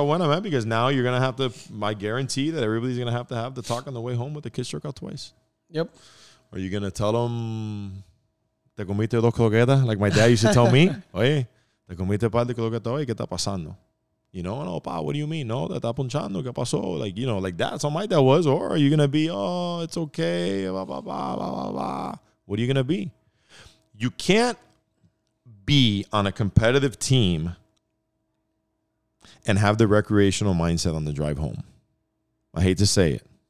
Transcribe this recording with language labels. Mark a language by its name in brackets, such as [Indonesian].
[Spanish] buena, [English] man, because now you're going to have to, I guarantee that everybody's going to have the talk on the way home with the kids struck out twice. Yep. Are you going to tell them, [Spanish] te comiste dos croquetas, [English] like my dad used to tell me? [Spanish] Oye, te comiste par de croquetas hoy, ¿qué está pasando? [English] You know, and, oh, pa, what do you mean? No, that [Spanish] está punchando, ¿qué pasó? [English] Like, you know, like that's how my dad was. Or are you going to be, oh, it's okay, blah, blah, blah, blah, blah, blah. What are you going to be? You can't be on a competitive team and have the recreational mindset on the drive home. I hate to say it.